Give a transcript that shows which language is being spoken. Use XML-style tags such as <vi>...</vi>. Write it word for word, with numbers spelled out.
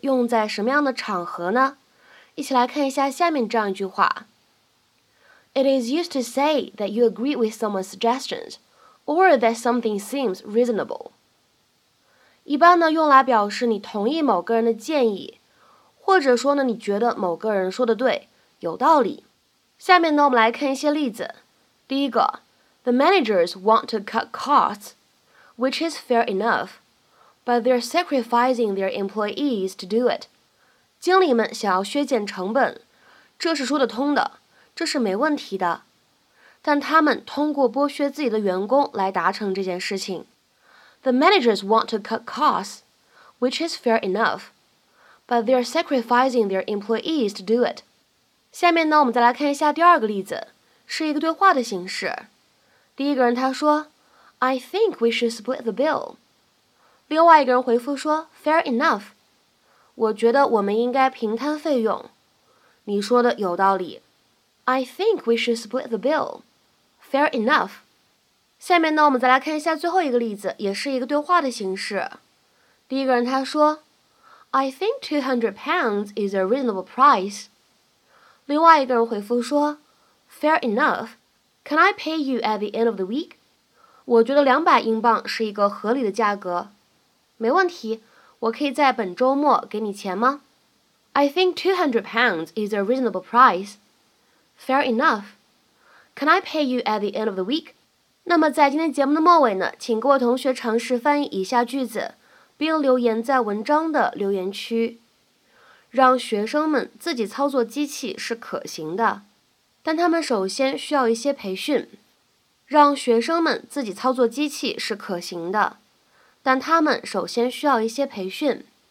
<zh>用在什么样的场合呢？一起来看一下下面这样一句话：</zh> <en>It is used to say that you agree with someone's suggestions。 or that something seems reasonable.</en> <zh>一般呢，用来表示你同意某个人的建议，或者说呢，你觉得某个人说的对，有道理。下面呢，我们来看一些例子。第一个</zh> <en>，The managers want to cut costs, which is fair enough, but they're sacrificing their employees to do it.</en> <zh>经理们想要削减成本，这是说得通的，这是没问题的，但他们通过剥削自己的员工来达成这件事情。</zh> <en>The managers want to cut costs, which is fair enough, but they're sacrificing their employees to do it.</en> <zh>下面呢，我们再来看一下第二个例子，是一个对话的形式。第一个人他说</zh> <en>I think we should split the bill.</en> <zh>另外一个人回复说</zh> <en>Fair enough.</en> <zh>我觉得我们应该平摊费用。你说的有道理。</zh> <en>I think we should split the bill. Fair enough.</en> <zh>下面呢，我们再来看一下最后一个例子，也是一个对话的形式。第一个人他说</zh> <en>I think two hundred pounds is a reasonable price.</en> <zh>另外一个人回复说</zh> <en>Fair enough. Can I pay you at the end of the week?</en> <zh>我觉得two hundred英镑是一个合理的价格。没问题，我可以在本周末给你钱吗？</zh> <en>I think two hundred pounds is a reasonable price. Fair enough. Can I pay you at the end of the week?</en> <zh>那么在今天节目的末尾呢，请各位同学尝试翻译以下句子，并留言在文章的留言区。让学生们自己操作机器是可行的，但他们首先需要一些培训。让学生们自己操作机器是可行的，但他们首先需要一些培训。</zh>